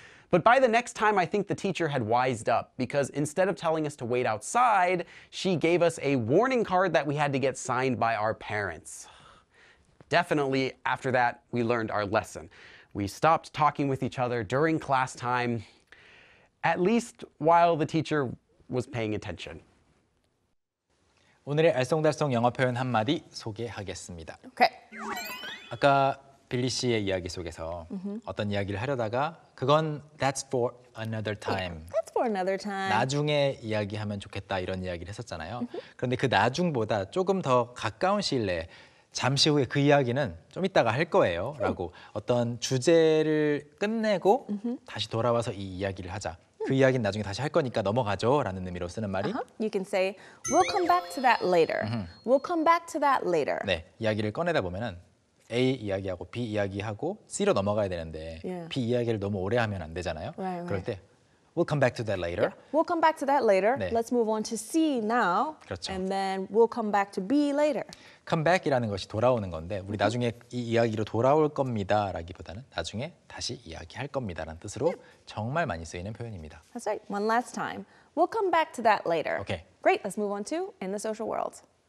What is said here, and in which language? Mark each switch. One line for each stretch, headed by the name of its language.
English: But by the next time, I think the teacher had wised up because instead of telling us to wait outside, she gave us a warning card that we had to get signed by our parents. Definitely after that, we learned our lesson. We stopped talking with each other during class time, at least while the teacher was paying attention.
Korean: 오늘의 알쏭달쏭 영어 표현 한마디 소개하겠습니다.
English: Okay.
Korean: 아까 빌리 씨의 이야기 속에서 mm-hmm. 어떤 이야기를 하려다가 그건
English: that's for another time. Yeah, that's for another time.
Korean: 나중에 이야기하면 좋겠다 이런 이야기를 했었잖아요. Mm-hmm. 그런데 그 나중보다 조금 더 가까운 시일 내에 잠시 후에 그 이야기는 좀 이따가 할 거예요 라고 어떤 주제를 끝내고 mm-hmm. 다시 돌아와서 이 이야기를 하자. 그 이야기는 나중에 다시 할 거니까 넘어가죠 라는 의미로 쓰는 말이 uh-huh.
English: You can say we'll come back to that later. Uh-huh. We'll come back to that later.
Korean: 네, 이야기를 꺼내다 보면은 A 이야기하고 B 이야기하고 C로 넘어가야 되는데
English: yeah.
Korean: B 이야기를 너무 오래 하면 안 되잖아요.
English: Right, right.
Korean: 그럴 때
English: We'll come back to that later. Yeah. We'll come back to that later.
Korean: 네.
English: Let's move on to C now.
Korean: 그렇죠.
English: And then we'll come back to B later.
Korean: Come back이라는 것이 돌아오는 건데 우리 mm-hmm. 나중에 이 이야기로 돌아올 겁니다라기보다는 나중에 다시 이야기할 겁니다라는 뜻으로 yep. 정말 많이 쓰이는 표현입니다.
English: That's right. One last time. We'll come back to that later. Okay. Great. Let's move on to In the Social World.